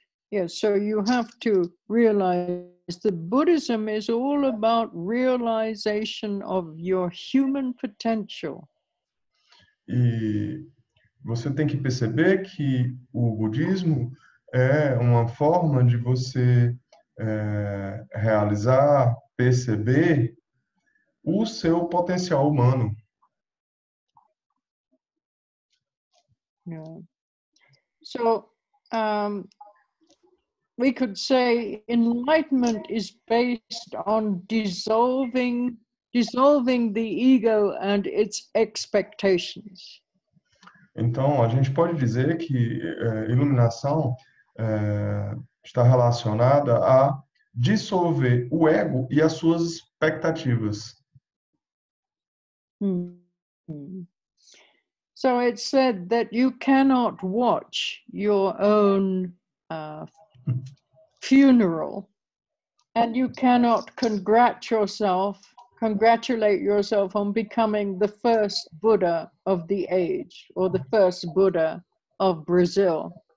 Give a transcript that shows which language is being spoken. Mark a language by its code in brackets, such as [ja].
[en] Yes, so you have to realize that Buddhism is all about realization of your human potential. [pt] E você tem que perceber que o budismo é uma forma de você realizar, perceber o seu potencial humano. [en] Yeah. So, we could say enlightenment is based on dissolving the ego and its expectations. [pt] Então, a gente pode dizer que iluminação está relacionada a dissolver o ego e as suas expectativas. [en] So it said that you cannot watch your own funeral, and you cannot congratulate yourself on becoming the first Buddha of the age, or the first Buddha of Brazil.